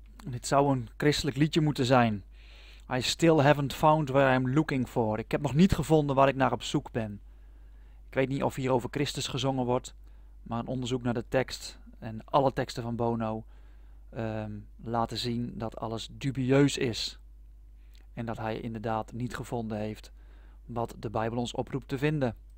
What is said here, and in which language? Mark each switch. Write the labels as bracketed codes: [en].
[nl] Het zou een christelijk liedje moeten zijn. [en] I still haven't found where I'm looking for. [nl] Ik heb nog niet gevonden waar ik naar op zoek ben. Ik weet niet of hier over Christus gezongen wordt, maar een onderzoek naar de tekst en alle teksten van Bono laten zien dat alles dubieus is. En dat hij inderdaad niet gevonden heeft wat de Bijbel ons oproept te vinden.